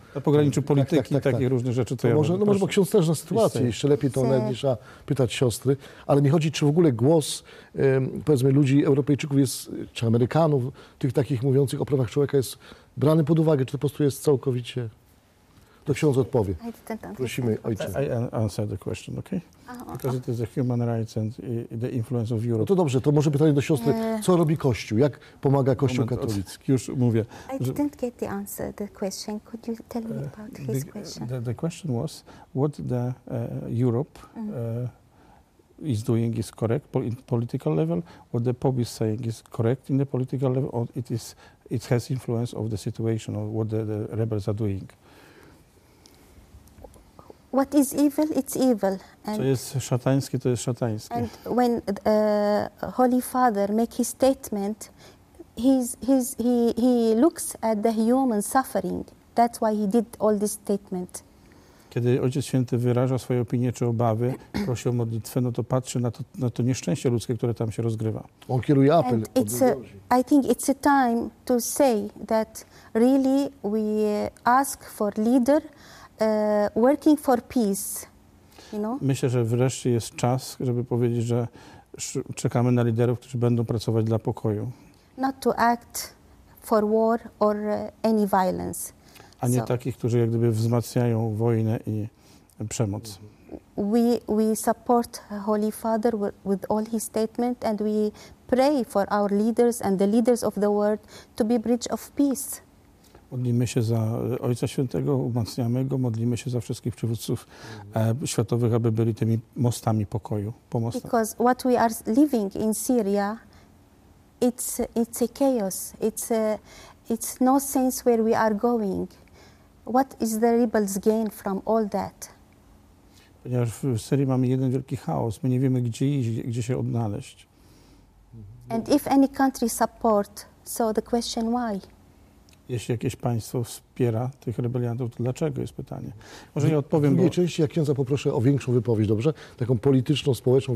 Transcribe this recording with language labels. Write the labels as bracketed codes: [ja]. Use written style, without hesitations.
[pl] Na pograniczu polityki i takich różnych rzeczy to ja może, będę. No może, bo ksiądz też na sytuację, jeszcze lepiej to nawet niż pytać siostry. Ale mi chodzi, czy w ogóle głos, powiedzmy, ludzi, Europejczyków jest, czy Amerykanów, tych takich mówiących o prawach człowieka jest brany pod uwagę, czy to po prostu jest całkowicie... To ksiądz odpowie. Prosimy ojca. [en] I answer the question, okay? Because it is the human rights and the influence of Europe. [pl] No to dobrze, to może pytanie do siostry. Co robi Kościół? Jak pomaga Kościół katolicki? Już mówię. [en] I didn't get the answer, the question. Could you tell me about his question? The question was, what the Europe is doing is correct in political level, what the Pope is saying is correct in the political level, or it has influence of the situation, or what the rebels are doing. What is evil, it's evil. [pl] And co jest szatańskie, to jest szatańskie. [en] And when the Holy Father make his statement, he looks at the human suffering. That's why he did all this statement. [pl] Kiedy Ojciec Święty wyraża swoje opinie czy obawy, prosi o modlitwę, no to patrzy na to nieszczęście ludzkie, które tam się rozgrywa. On kieruje apel. [en] And it's a, I think it's a time to say that really we ask for leader working for peace. You know? [pl] Myślę, że wreszcie jest czas, żeby powiedzieć, że czekamy na liderów, którzy będą pracować dla pokoju. [en] Not to act for war or any violence. [pl] A nie takich, którzy jak gdyby wzmacniają wojnę i przemoc. [en] We support Holy Father with all his statement and we pray for our leaders and the leaders of the world to be bridge of peace. [pl] Modlimy się za Ojca Świętego, umacniamy go, modlimy się za wszystkich przywódców światowych, aby byli tymi mostami pokoju, pomostami. [en] Because what we are living in Syria, it's a chaos. It's no sense where we are going. What is the rebels gain from all that? [pl] Ponieważ w Syrii mamy jeden wielki chaos. My nie wiemy, gdzie iść, gdzie się odnaleźć. [en] And if any country support, so the question why? [pl] Jeśli jakieś państwo wspiera tych rebeliantów, to dlaczego jest pytanie? Może nie odpowiem, w drugiej części, jak księdza poproszę o większą wypowiedź, dobrze? Taką polityczną, społeczną.